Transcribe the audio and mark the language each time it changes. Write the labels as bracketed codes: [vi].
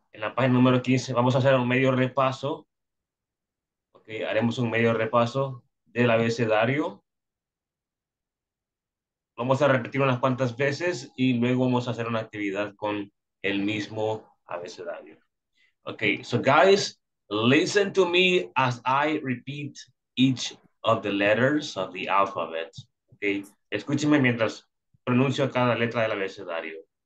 [es] En la página número 15 vamos a hacer un medio repaso. Okay. Haremos un medio repaso del abecedario. Vamos a repetir unas cuantas veces y luego vamos a hacer una actividad con el mismo abecedario. [en] Okay, so guys, listen to me as I repeat each of the letters of the alphabet. [es] Okay, escúchenme mientras pronuncio cada letra del abecedario.